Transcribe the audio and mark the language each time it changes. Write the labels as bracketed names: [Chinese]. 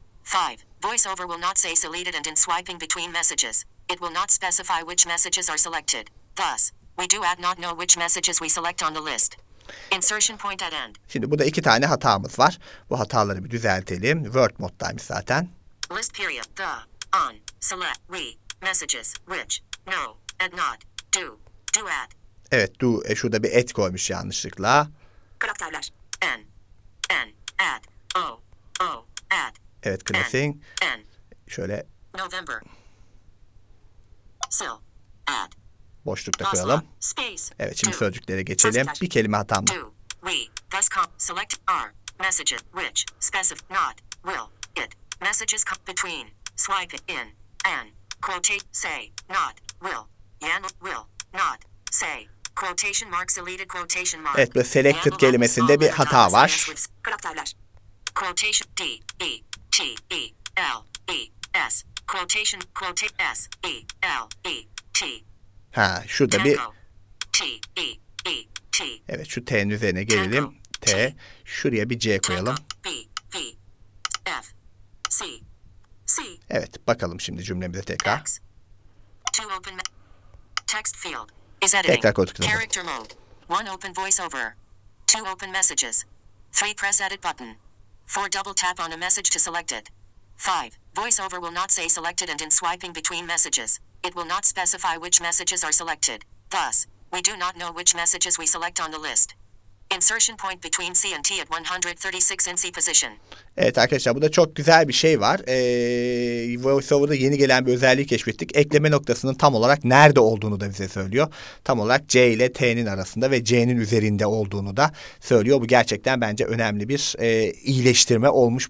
[English] 5 voiceover will not say selected and in swiping between messages. It will not specify which messages are selected. Thus, we do add not know which messages we select on the list. Insertion point at end. [Turkish] Şimdi burada iki tane hatamız var. Bu hataları bir düzeltelim. Word mode'daymış zaten. [English] List period. The. On. Select. We. Messages. Which. No. Add not. Do. Do add. [Turkish] Evet. Do. Şurada bir et koymuş yanlışlıkla. [English] Karaktarlar. N. N. Add. O. O. Add. [Turkish] Evet. Nothing. N. Şöyle. [English] November. [Turkish] Sil. Add. Boşlukta koyalım. [English] Space. [Turkish] Evet. Şimdi sözcüklere geçelim. Bir kelime hatam. [English] Do. We. Thus com. Select. R. Messages. Which. Specif. Not. Will. It. Messages. Between. Swipe it in, and, quotation say not will yan will not say quotation marks deleted quotation mark. [Turkish] Evet, böyle selected kelimesinde bir hata var. [English] Quotation d e t e l e s quotation quote s e l e t. [Turkish] Ha, şurada [English] tango, [Turkish] bir t e e t. Evet, şu t'nin üzerine gelelim. [English] Tango, [Turkish] t. Şuraya bir c koyalım. [English] Tango, b v f c c. [Turkish] Evet, bakalım şimdi cümlemize tekrar. [English] Text, two open text field is editing character mode. One open voice over. Two open messages. Three press edit button. Four double tap on a message to select it. Five. VoiceOver will not say selected and in swiping between messages, it will not specify which messages are selected. Thus, we do not know which messages we select on the list. Insertion point between C and T at 136 in C position. [Turkish] Evet arkadaşlar, burada çok güzel bir şey var. VoiceOver'da yeni gelen bir özelliği keşfettik. Ekleme noktasının tam olarak nerede olduğunu da bize söylüyor. Tam olarak C ile T'nin arasında ve C'nin üzerinde olduğunu da söylüyor. Bu gerçekten bence önemli bir iyileştirme olmuş.